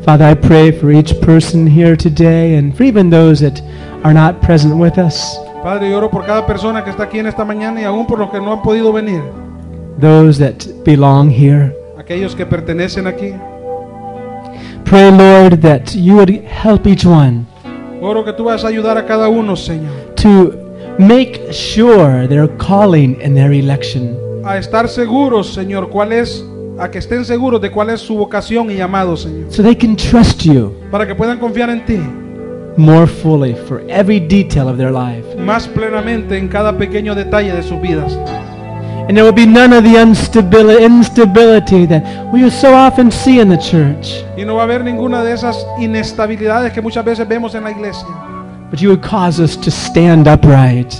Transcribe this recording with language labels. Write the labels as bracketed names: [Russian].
[English] Father, I pray for each person here today and for even those that are not present with us. [Spanish] Padre, yo oro por cada persona que está aquí en esta mañana y aún por los que no han podido venir. [English] Those that belong here. [Spanish] Aquellos que pertenecen aquí. [English] Pray, Lord, that you would help each one. [Spanish] Oro que tú vas a ayudar a cada uno, Señor. [English] To make sure their calling and their election. [Spanish] A estar seguros, Señor, cuál es, a que estén seguros de cuál es su vocación y llamado, Señor. [English] So they can trust you. [Spanish] Para que puedan confiar en ti. [English] More fully for every detail of their life. [Spanish] Más plenamente en cada pequeño detalle de sus vidas. [English] And there will be none of the instability that we so often see in the church. [Spanish] Y no va a haber ninguna de esas inestabilidades que muchas veces vemos en la iglesia. [English] But you would cause us to stand upright.